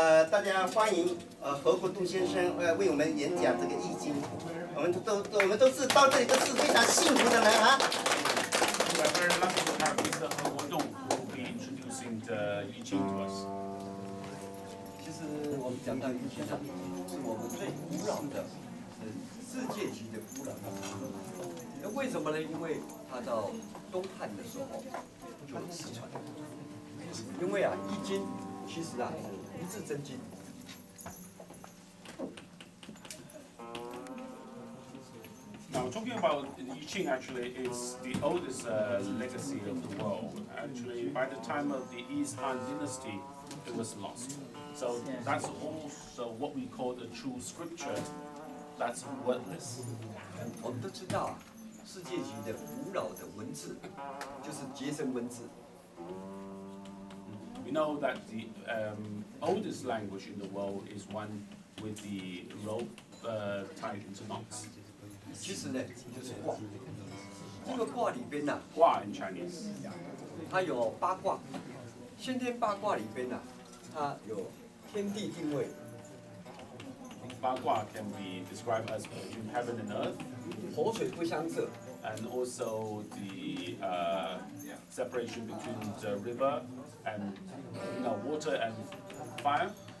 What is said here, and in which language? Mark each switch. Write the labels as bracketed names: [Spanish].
[Chinese] 大家欢迎何国栋先生为我们演讲这个《易经》，我们都是到这里都是非常幸福的人啊。 [English] We are very lucky to have Mr. He Guodong who will be introducing the Yi Jing to us. [Chinese] 其实我们讲到《易经》呢，是我们最古老的，世界级的古老的书。那为什么呢？因为它到东汉的时候就失传了。因为啊，《易经》其实啊是一字真经。 [English] Now, talking about Yi Jing, actually, it's the oldest legacy of the world. Actually, by the time of the East Han Dynasty, it was lost. So that's also what we call the true scripture. That's wordless. [Chinese] 我们都知道，世界级的古老的文字就是结绳文字。 [English] We know that the oldest language in the world is one with the rope tied into knots. [Chinese] 其实呢，就是卦。这个卦里边呢、啊， [English] 卦 in Chinese， [Chinese] 它有八卦。先天八卦里边呢、啊，它有天地定位。 [English] 八卦 can be described as between heaven and earth， [Chinese] 火水不相泽。 [English] And also the separation between the river and no water and fire。